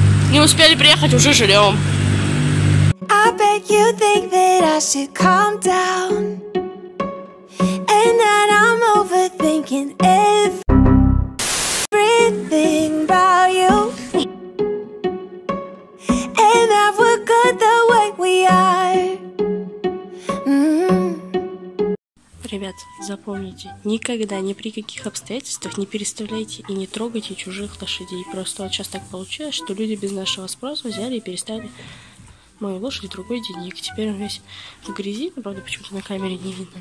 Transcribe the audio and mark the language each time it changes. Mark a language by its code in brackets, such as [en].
[ru] Не успели приехать, уже жрём. [en] I bet you think that I should calm down, and that I'm overthinking everything about you, and that we're good the way we are. [ru] Ребят, запомните, никогда, ни при каких обстоятельствах не переставляйте и не трогайте чужих лошадей. Просто вот сейчас так получилось, что люди без нашего спроса взяли и переставили мою лошадь в другой денег. Теперь он весь в грязи, но, правда, почему-то на камере не видно.